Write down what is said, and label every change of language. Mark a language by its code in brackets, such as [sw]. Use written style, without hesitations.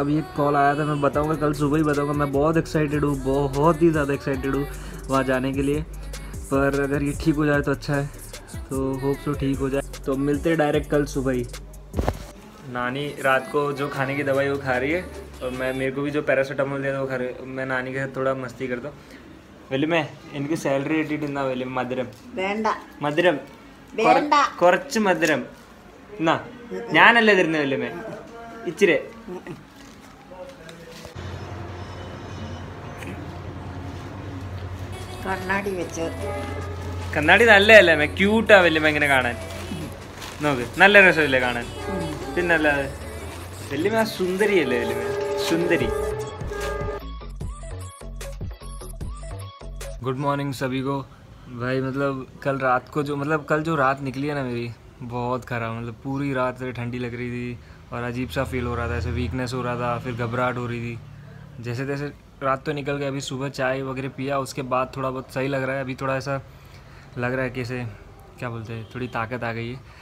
[hi] अभी एक कॉल आया था, मैं बताऊँगा कल सुबह ही बताऊँगा। मैं बहुत एक्साइटेड हूँ, बहुत ही ज़्यादा एक्साइटेड हूँ वहाँ जाने के लिए, पर अगर ये ठीक हो जाए तो अच्छा है। तो होप सो ठीक हो जाए, तो मिलते हैं डायरेक्ट कल सुबह ही। नानी रात को जो खाने की दवाई वो खा रही है, और मैं, मेरे को भी जो पैरासीटामोल दिया था वो खा रही है। मैं नानी के साथ थोड़ा मस्ती करता हूँ। [ml] വലിമ എനിക്ക് സാലറി കിട്ടിയിട്ടുണ്ടാ വലിമ മധുരം വേണ്ട മധുരം വേണ്ട കുറച്ച് മധുരം എന്നാ ഞാനല്ലേ തരുന്ന വലിമ ഇച്ചിരി കണ്ണാടി വെച്ച് കണ്ണാടി നല്ലതല്ലേ ക്യൂട്ടാ വലിമ ഇങ്ങനെ കാണാൻ നോക്ക് നല്ല രസമല്ലേ കാണാൻ പിന്നല്ലാതെ വലിമ സുന്ദരിയല്ലേ വലിമ സുന്ദരി [hi] गुड मॉर्निंग सभी को भाई। मतलब कल रात को जो मतलब कल जो रात निकली है ना मेरी, बहुत ख़राब। मतलब पूरी रात ठंडी लग रही थी और अजीब सा फील हो रहा था, ऐसे वीकनेस हो रहा था, फिर घबराहट हो रही थी। जैसे तैसे रात तो निकल गई, अभी सुबह चाय वगैरह पिया, उसके बाद थोड़ा बहुत सही लग रहा है। अभी थोड़ा ऐसा लग रहा है कि ऐसे क्या बोलते हैं, थोड़ी ताकत आ गई है।